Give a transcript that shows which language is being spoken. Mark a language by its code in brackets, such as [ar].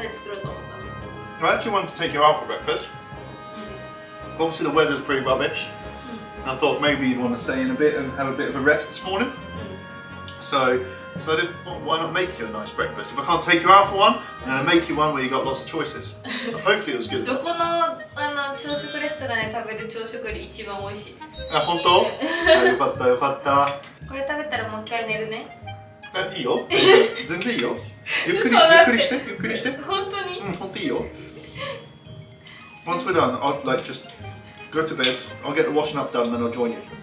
[en] did you make it? I actually wanted to take you out for breakfast. Obviously the weather's pretty rubbish. I thought maybe you'd want to stay in a bit and have a bit of a rest this morning. So, why not make you a nice breakfast? If I can't take you out for one, then I'll make you one where you got lots of choices. So hopefully it was good. [ja] どこの、あの、朝食レストランで食べる朝食より一番美味しい。あ、本当？あ、よかった、よかった。これ食べたらもう一回寝るね。あ、いいよ。全然いいよ。ゆっくり、ゆっくりして、ゆっくりして。本当に？うん、本当いいよ。 [en] Once we're done, I'll like just go to bed. I'll get the washing up done, then I'll join you.